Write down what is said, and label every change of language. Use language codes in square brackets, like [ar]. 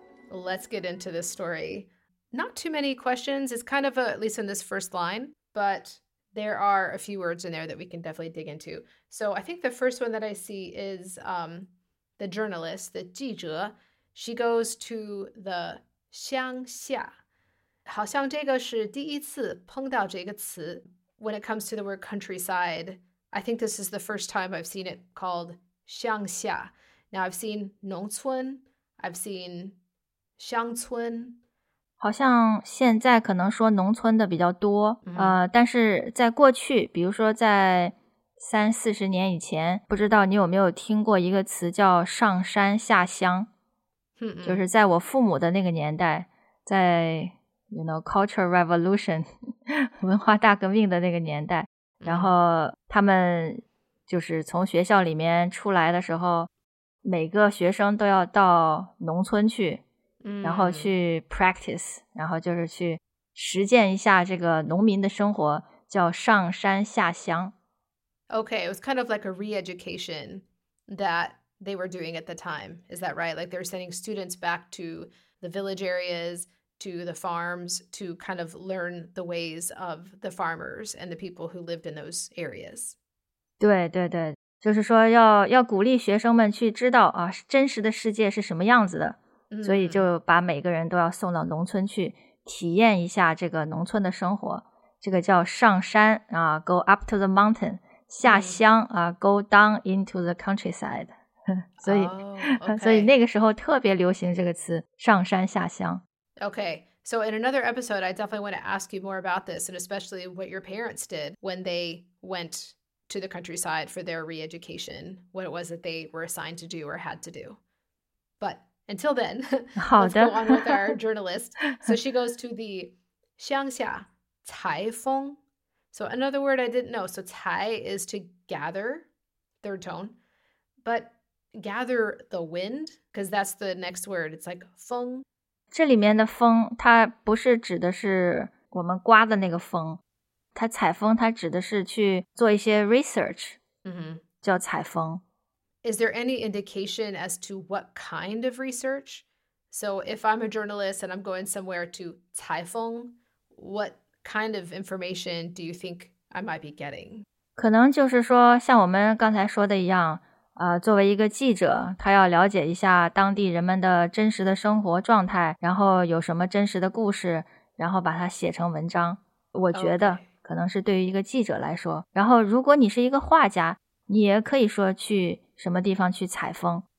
[en] Let's get into this story. Not too many questions. It's kind of a, at least in this first line, but there are a few words in there that we can definitely dig into. So I think the first one that I see is the journalist, the 记者. She goes to the 乡下. [zh] 好像这个是第一次碰到这个词. [en] When it comes to the word countryside, I think this is the first time I've seen it called 乡下. Now I've seen 农村, I've seen... [zh] 乡村，好像现在可能说农村的比较多、嗯、但是在过去，比如说在三四十年以前，不知道你有没有听过一个词叫上山下乡，嗯嗯，就是在我父母的那个年代，在 [en] you know culture revolution [zh] 文化大革命的那个年代，然后他们就是从学校里面出来的时候，每个学生都要到农村去，然后去 practice、嗯、然后就是去实践一下这个农民的生活，叫上山下乡。 [en] Okay, it was kind of like a re-education that they were doing at the time. Is that right? Like they're sending students back to the village areas, to the farms, to kind of learn the ways of the farmers and the people who lived in those areas. [zh] 对对对，就是说要鼓励学生们去知道啊，真实的世界是什么样子的，所以就把每个人都要送到农村去体验一下这个农村的生活，这个叫上山啊 ， [en] go up to the mountain， [zh] 下乡啊 ， [en] go down into the countryside。 [zh] 所以、 [en] oh, okay. [zh] 所以那个时候特别流行这个词，上山下乡。 [en] Okay, so in another episode, I definitely want to ask you more about this, and especially what your parents did when they went to the countryside for their re-education, what it was that they were assigned to do or had to do, but. Until then, let's go on with our journalist. So she goes to the 乡下采风. So another word I didn't know. So 采 is to gather, third tone. But gather the wind, because that's the next word. It's like 风. [zh] 这里面的风它不是指的是我们刮的那个风。它采风它指的是去做一些 research,、 mm-hmm. 叫采风。 [en] Is there any indication as to what kind of research? So if I'm a journalist and I'm going somewhere to 采风, what kind of information do you think I might be getting? [zh] 可能就是说像我们刚才说的一样、作为一个记者，他要了解一下当地人们的真实的生活状态，然后有什么真实的故事，然后把它写成文章。我觉得可能是对于一个记者来说。 [en] Okay. [zh] 然后如果你是一个画家，你也可以说去什么地方去采风，